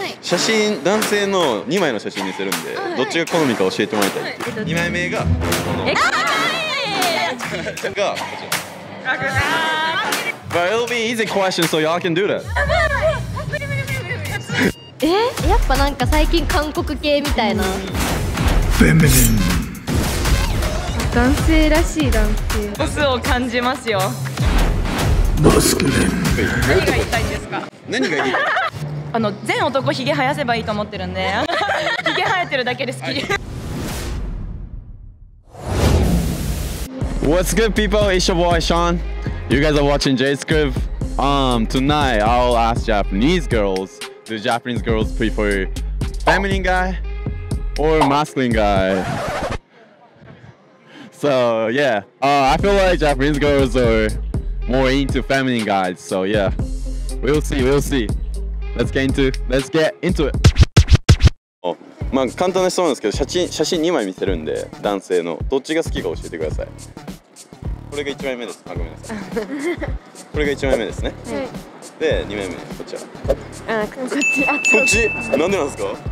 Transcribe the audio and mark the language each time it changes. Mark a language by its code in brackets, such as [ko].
[ja] 写真、男性の2枚の写真にするんで、はい、どっちが好みか教えてもらいたい、はい、2枚目がこの、かわいいが、こちら。 [en] But it'll be easy question, so y'all can do that. [ja] え、やっぱなんか最近韓国系みたいな。男性らしい男性。オスを感じますよ。マスクレン。何が言いたいんですか。何が言いたい。あの全男ヒゲ生やせばいいと思ってるんで、ヒゲ生えてるだけで好き。はい、 [en] What's good, people? It's your boy Sean. You guys are watching J-Scribe. Tonight, I'll ask Japanese girls, do Japanese girls prefer feminine guy or masculine guy? So yeah, I feel like Japanese girls are more into feminine guys. So yeah, we'll see, we'll see. Let's get into it. [ja] まあ簡単な質問なんですけど、写真2枚見せるんで、男性のどっちが好きか教えてください。これが1枚目です。あ、ごめんなさい。これが1枚目ですね。はい。で、2枚目、こっちは。あ、こっち、あ、こっち。なんでなんですか？